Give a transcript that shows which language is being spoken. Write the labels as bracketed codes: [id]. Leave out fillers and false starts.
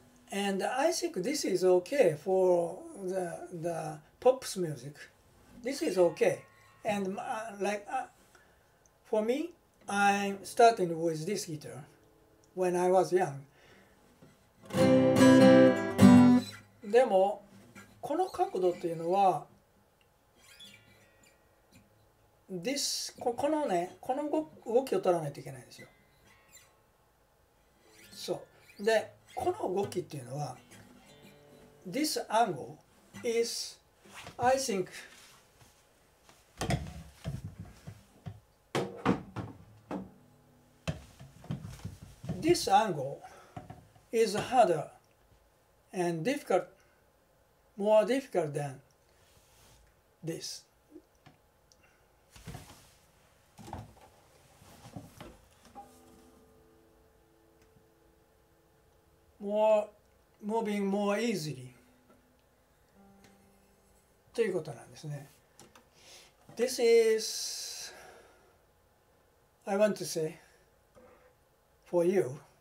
[en] And I think this is okay for the pops music. This is okay. And for me, I'm starting with this guitar when I was young. [ja] でも、この角度というのは、このね、この動きを取らないといけないんですよ。そう。で、この動きというのは、 [en] This angle is, I think,This angle is harder and difficult, more difficult than this. Moving more easily. [ja] ということなんですね。 [en] This is, I want to say, for you.